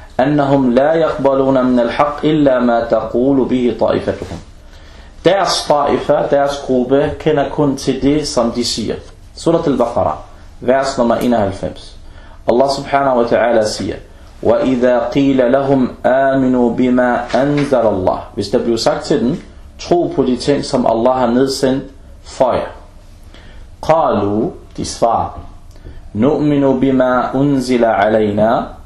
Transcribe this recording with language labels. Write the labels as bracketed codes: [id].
[ar] أنهم لا يقبلون من الحق إلا ما تقول به طائفتهم. [da] Deres طائفة, deres gruppe, kender kun til det, som de siger. [ar] سورة البقرة, [da] vers nummer 91. [ar] Allah subhanahu wa ta'ala siger, وَإِذَا قِيلَ لَهُمْ آمِنُوا بِمَا أَنزَلَ اللَّهُ. [da] Hvis der bliver sagt til dem, tro på de ting, som Allah har nedsendt for jer. [ar] قَالُوا, [da] de svarer, [ar] نُؤْمِنُوا بِمَا أُنزِلَ عَلَيْنَا.